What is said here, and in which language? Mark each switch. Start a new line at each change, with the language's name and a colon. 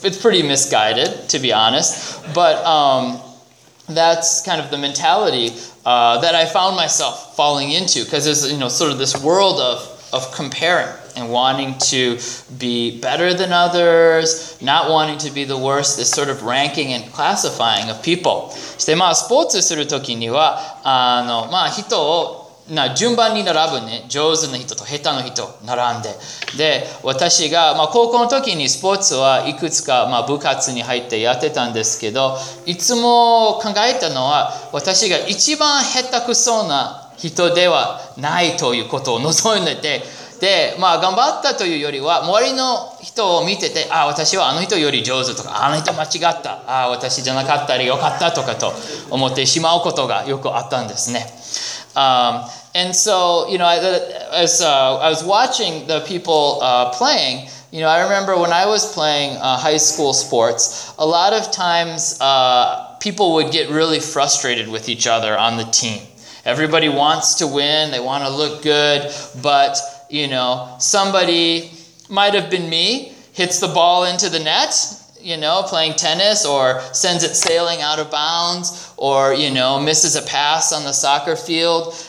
English: It's pretty misguided, to be honest. But that's kind of the mentality that I found myself falling into, because there's, you know, sort of this world of comparing and wanting to be better than others, not wanting to be the worst, this sort of ranking and classifying of people.
Japanese: So, まあ、スポーツするときには、あの、まあ、人を、な、順番に並ぶね、上手な人と下手な人を並んで。で、私が、まあ、高校の時にスポーツはいくつか、まあ、部活に入ってやってたんですけど、いつも考えたのは、私が一番下手くそな人ではないということを望んでて、で、まあ、頑張ったというよりは、周りの人を見てて、ああ、私はあの人より上手とか、あの人間違った、ああ、私じゃなかったり、よかったとかと思ってしまうことがよくあったんですね。
English: And so, you know, I was watching the people playing, you know, I remember when I was playing high school sports, a lot of times people would get really frustrated with each other on the team. Everybody wants to win, they want to look good, but, you know, somebody, might have been me, hits the ball into the net, you know, playing tennis, or sends it sailing out of bounds, or, you know, misses a pass on the soccer field.